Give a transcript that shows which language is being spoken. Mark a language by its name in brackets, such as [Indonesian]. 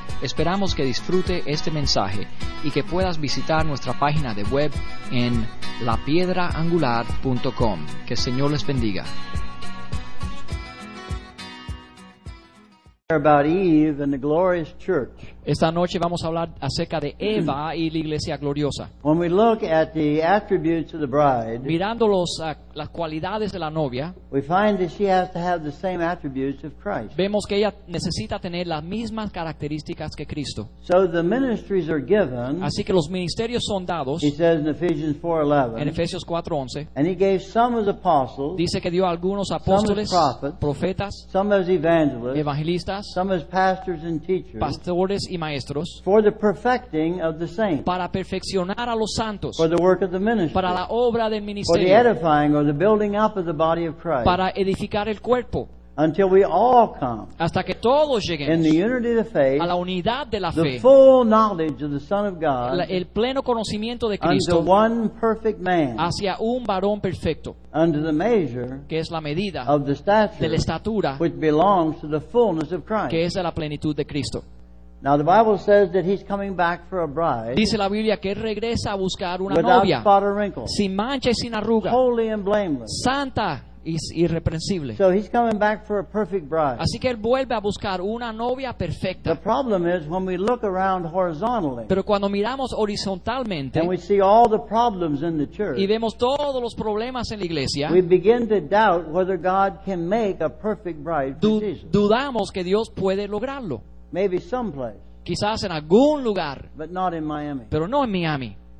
[Spanish] Esperamos que disfrute este mensaje y que puedas visitar nuestra página de web en lapiedraangular.com. Que el Señor les bendiga. [English] About Eve and the glorious church. [Spanish] Esta noche vamos a hablar acerca de Eva y la iglesia gloriosa. [English] When we look at the attributes of the bride, [Spanish] mirando las cualidades de la novia, [English] we find that she has to have the same attributes of Christ. [Spanish] Vemos que ella necesita tener las mismas características que Cristo. [English] So the ministries are given. [Spanish] Así que los ministerios son dados. [English] He says in Ephesians 4:11. [Spanish] En Efesios 4:11. [English] And he gave some as apostles. [Spanish] Dice que dio a algunos apóstoles, [English] some as prophets, [Spanish] profetas, [English] some as evangelists, [Spanish] evangelistas. [English] Some as pastors and teachers, [Spanish] pastores y maestros, [English] for the perfecting of the saints, [Spanish] para perfeccionar a los santos, [English] for the work of the ministry, [Spanish] para la obra del ministerio, [English] for the edifying or the building up of the body of Christ, [Spanish] para edificar el cuerpo, [English] until we all come, [Spanish] hasta que todos lleguemos, [English] in the unity of the faith, [Spanish] a la unidad de la fe, [English] the full knowledge of the Son of God, [Spanish] el pleno conocimiento de Cristo, [English] unto one perfect man, [Spanish] hacia un varón perfecto, [English] under the measure, [Spanish] que es la medida, [English] of the stature, [Spanish] de la estatura, [English] which belongs to the fullness of Christ, [Spanish] que es de la plenitud de Cristo. [English] Now the Bible says that he's coming back for a bride. [Spanish] Dice la Biblia que regresa a buscar una [English] without [Spanish] novia, [English] spot or wrinkle, [Spanish] sin mancha y sin arruga, [English] holy and blameless, [Spanish] santa. [English] So he's coming back for a perfect bride. [Spanish] Así que él vuelve a buscar una novia perfecta. [English] The problem is when we look around horizontally. [Spanish] Pero cuando miramos horizontalmente, [English] and we see all the problems in the church. [Spanish] Y vemos todos los problemas en la iglesia. [English] We begin to doubt whether God can make a perfect bride for Jesus. [Spanish] Dudamos que Dios puede lograrlo. [English] Maybe someplace. [Spanish] Quizás en algún lugar. [English] But not in Miami. [Spanish] Pero no en Miami.